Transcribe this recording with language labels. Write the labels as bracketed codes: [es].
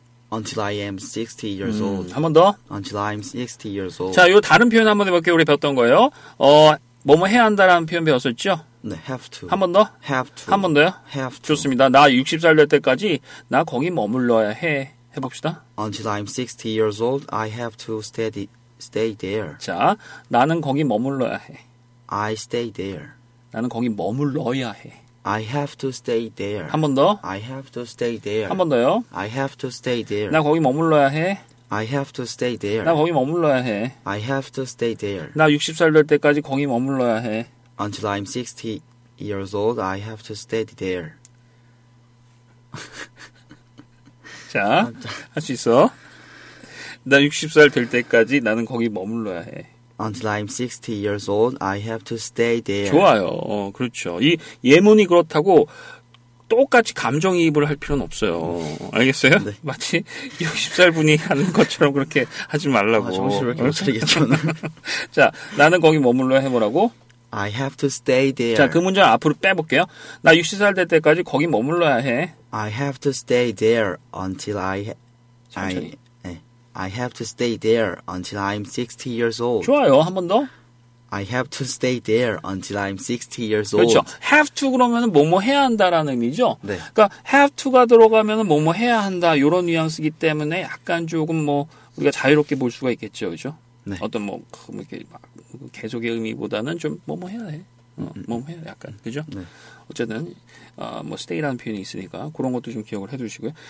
[en] Until I am 60 years old. [ko] 한 번 더. [en] Until I am 60 years old. [ko] 자, 요 다른 표현 한번 해볼게요. 우리 배웠던 거예요. 뭐뭐 해야 한다라는 표현 배웠었죠? [en] 네, have to. [ko] 한 번 더? [en] Have to. [ko] 한 번 더요? [en] Have to. [ko] 좋습니다. 나 60살 될 때까지 나 거기 머물러야 해. 해봅시다. [en] Until I'm 60 years old, I have to stay there. [ko] 자, 나는 거기 머물러야 해. [en] I stay there. [ko] 나는 거기 머물러야 해. [en] I have to stay there. [ko] 한 번 더. [en] I have to stay there. [ko] 한 번 더요. [en] I have to stay there. [ko] 나 거기 머물러야 해. [en] I have to stay there. [ko] 나 거기 머물러야 해. [en] I have to stay there. [ko] 나 60살 될 때까지 거기 머물러야 해. [en] Until I'm 60 years old, I have to stay there. [ko] 자, 할 수 있어. 나 60살 될 때까지 나는 거기 머물러야 해. [en] Until I'm 60 years old, I have to stay there. [ko] 좋아요. 그렇죠. 이 예문이 그렇다고 똑같이 감정이입을 할 필요는 없어요. 알겠어요? 네. 마치 60살 분이 하는 것처럼 그렇게 하지 말라고. 정신을 왜 이렇게 못 차리겠죠. 자, 나는 거기 머물러야 해 뭐라고? [en] I have to stay there. [ko] 자, 그 문장 앞으로 빼볼게요. 나 60살 될 때까지 거기 머물러야 해. [en] I have to stay there until I have to stay there until I'm 60 years old. [ko] 좋아요. 한 번 더. [en] I have to stay there until I'm 60 years old. [ko] 그렇죠. Have to 그러면은 뭐뭐 해야 한다라는 의미죠. 네. 그러니까 have to가 들어가면은 뭐뭐 해야 한다 이런 뉘앙스이기 때문에 약간 조금 뭐 우리가 자유롭게 볼 수가 있겠죠, 그렇죠? 네. 어떤 뭐 이렇게 막 계속의 의미보다는 좀 뭐뭐 해야 해. 뭐뭐 해야 약간 그죠? 네. 어쨌든 뭐 stay라는 표현이 있으니까 그런 것도 좀 기억을 해두시고요.